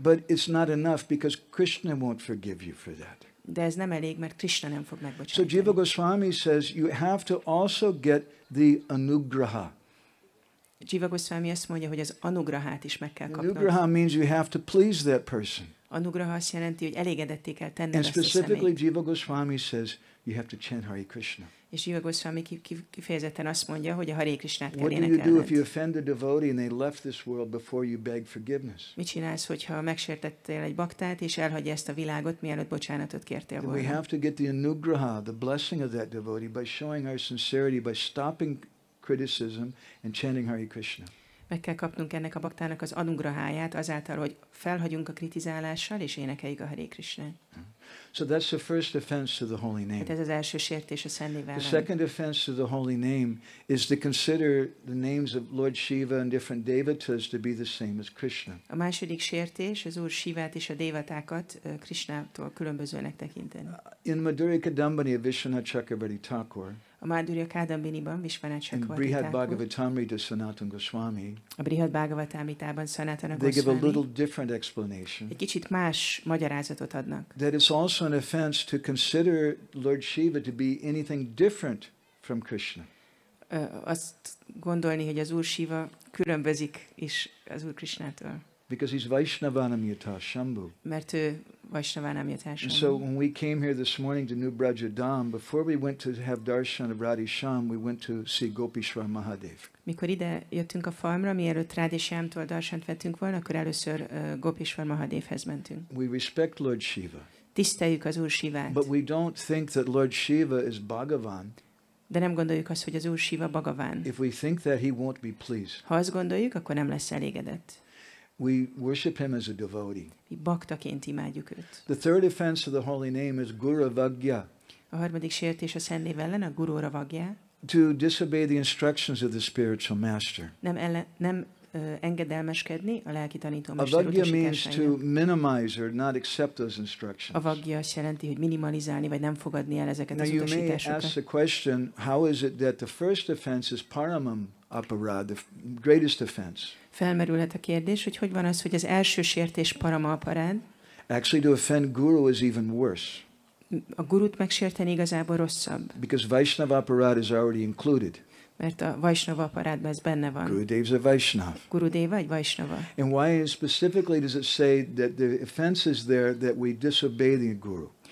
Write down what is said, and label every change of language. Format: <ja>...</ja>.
<en>But it's not enough because Krishna won't forgive you for that.</en> <hu>De ez nem elég, mert Krishna nem fog megbocsátani.</hu> <en>So Jiva Goswami says you have to also get the anugraha.</en> <hu>Jiva Goswami azt mondja, hogy az anugrahát is meg kell kapnod.</hu> <en>Anugraha means you have to please that person.</en> <hu>Anugraha azt jelenti, hogy elégedetté kell tenned ezt a személyt.</hu> <en>And specifically Jiva Goswami says you have to chant Hare Krishna.</en> <hu>És Jiva Goswami kifejezetten azt mondja, hogy a Hare Krishnát kell énekelned.</hu> <en>What do you do if you offend a devotee and they left this world before you beg forgiveness?</en> <hu>Mit csinálsz, hogyha megsértettél egy baktát és elhagyja ezt a világot, mielőtt bocsánatot kértél volna?</hu> <en>We have to get the anugraha, the blessing of that devotee by showing our sincerity, by stopping criticism and chanting Hare Krishna.</en> <hu>Meg kell kapnunk ennek a baktának az anugrahaját azáltal, hogy felhagyunk a kritizálással és énekeljük a Hare Krishnát.</hu> <en>So that's the first offense to the holy name.</en> <hu>Hát ez az első sértés a szent névvel.</hu> <en>The second offense to the holy name is to consider the names of Lord Shiva and different devatas to be the same as Krishna.</en> <hu>A második sértés az Úr Shivát és a devatákat Krishnától különbözőnek tekinteni.</hu> <en>In Madhurya Kadambini of Vishwanath Chakravarti Thakur,</en> <hu>a Madhurya Kadambiniban Vishwanath Chakravarti</hu> <en>Thakur, in Brihad Bhagavatamrita Sanatana Goswami,</en> <hu>a Brihad Bhagavatamritában Sanatana Goswami,</hu> <en>they give a little different explanation.</en> <hu>Egy kicsit más magyarázatot adnak.</hu> <en>That it's also an offense to consider Lord Shiva to be anything different from Krishna.</en> <hu>Azt gondolni, hogy az Úr Shiva különbözik is az Úr Krishnától.</hu> <en>Because he's Vaishnavanam Yatha Shambhu.</en> <hu>Mert ő Vaishnavanam Yatha Shambhu.</hu> <en>And so when we came here this morning to New Braja Dham, before we went to have darshan of Radhe Shyam, we went to see Gopishwar Mahadev.</en> <hu>Mikor ide jöttünk a farmra, mielőtt Radhe Shyamtól darshant vettünk volna, akkor először Gopishwar Mahadevhez mentünk.</hu> <en>We respect Lord Shiva.</en> <hu>Tiszteljük az Úr Shivát.</hu> <en>But we don't think that Lord Shiva is Bhagavan.</en> <hu>De nem gondoljuk azt, hogy az Úr Shiva Bhagavan.</hu> <en>If we think that, he won't be pleased.</en> <hu>Ha azt gondoljuk, akkor nem lesz elégedett.</hu> <en>We worship him as a devotee.</en> <hu>Mi baktaként imádjuk őt.</hu> <en>The third offense of the holy name is guravagya.</en> <hu>A harmadik sértés a szent név ellen a guravagya.</hu> <en>To disobey the instructions of the spiritual master.</en> <hu>Engedelmeskedni a lelki tanító mester utasításainak.</hu> <en>Avagya means to minimize or not accept those instructions.</en> <hu>Avagya azt jelenti, hogy minimalizálni vagy nem fogadni el ezeket</hu> <en>Now</en> <hu>az utasításokat.</hu> <en>Now you may ask the question, how is it that the first offense is paramam aparad, the greatest offense?</en> <hu>Felmerülhet a kérdés, hogy hogy van az, hogy az első sértés parama aparad?</hu> <en>Actually, to offend guru is even worse.</en> <hu>A gurut megsérteni igazából rosszabb.</hu> <en>Because Vaishnava aparad is already included.</en> <hu>Mert a Vaishnava aparádban ez benne van.</hu> <en>Gurudev is a Vaishnava.</en> <hu>Gurudev vagy Vaishnava.</hu> <en>And why specifically does it say that the offense is there that we disobey the guru?</en>